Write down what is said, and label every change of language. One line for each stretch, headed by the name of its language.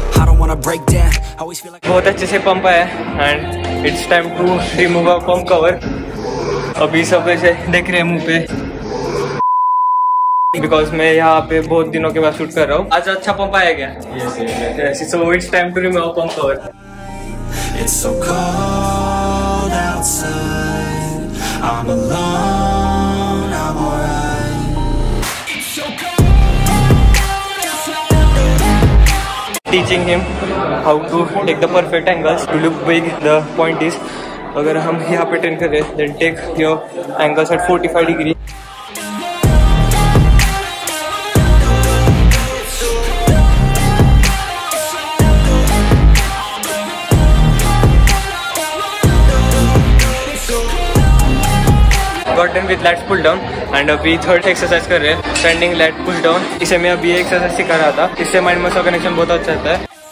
Hindi: बहुत अच्छे से पंप आया.
English: And it's time to remove our pump cover.
Hindi: अभी सब ऐसे देख रहे हैं मुंह पे बिकॉज मैं यहाँ पे बहुत दिनों के बाद शूट कर रहा हूँ. आज अच्छा पंप आया क्या?
English: Yes. So it's time to remove pump cover. It's so cold outside. I'm alone. I'm alright. Teaching him how to take the perfect angles to look big. The point is,
Hindi: अगर हम यहाँ पे train करें,
English: then take your angles at 45 degree. With lat pull down and अभी third exercise
Hindi: कर रहे हैं
English: standing lat pull down.
Hindi: इसे मैं अभी exercise सिखा रहा था. इससे mind muscle connection बहुत अच्छा रहता है.